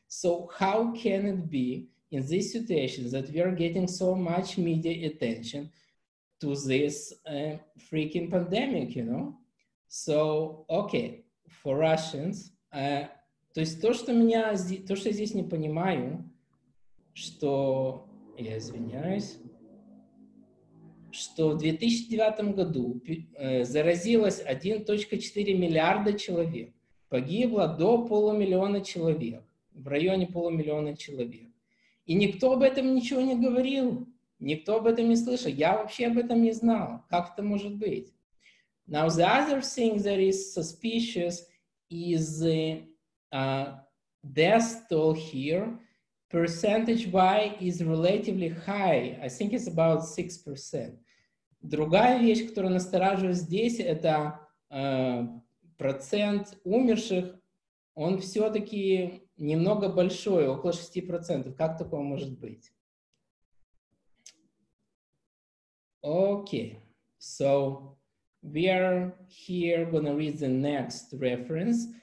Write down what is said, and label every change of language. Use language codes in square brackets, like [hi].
[en] So how can it be in this situation that we are getting so much media attention to this freaking pandemic, you know? So, okay, for Russians, [ru] то есть то, что меня, то, что я здесь не понимаю, что, я извиняюсь, что в 2009 году заразилось 1.4 миллиарда человек, погибло до полумиллиона человек, в районе полумиллиона человек. И никто об этом ничего не говорил, никто об этом не слышал, я вообще об этом не знал, как это может быть. [en] Now, the other thing that is suspicious is the death toll here, percentage-wise, is relatively high. I think it's about 6%. [ru] Другая вещь, которая настораживает здесь, это процент умерших, он все-таки немного большой, около 6%. Как такое может быть? [en] Okay, so we are here gonna read the next reference.